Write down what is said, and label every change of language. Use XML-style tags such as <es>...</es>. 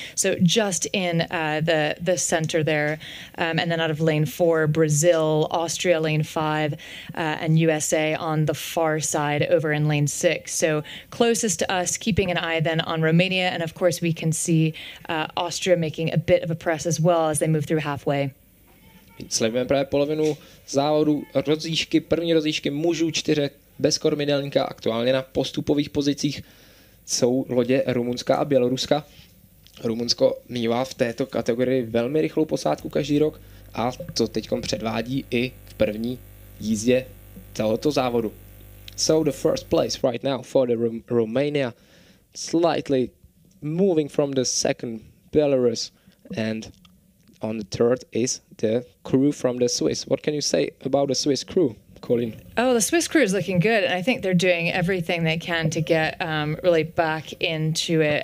<en>So just in the center there. And then out of lane four, Brazil, Austria, lane five, and USA on the far side over in lane six. So closest to us, keeping an eye then on Romania. And of course, we can see Austria making a bit of a press as well as they move through halfway.</en> <cs>Sledujeme právě polovinu závodu, rozjížky, první rozjížky mužů čtyře bez kormidelníka, aktuálně na postupových pozicích jsou lodě Rumunska a Běloruska. Rumunsko mívá v této kategorii velmi rychlou posádku každý rok a to teďkom předvádí i v první jízdě tohoto závodu.</cs> <en>So the first place right now for the Romania, slightly moving from the second, Belarus, and on the third is the crew from the Swiss. What can you say about the Swiss crew, Colleen? Oh, the Swiss crew is looking good, and I think they're doing everything they can to get really back into it.</en>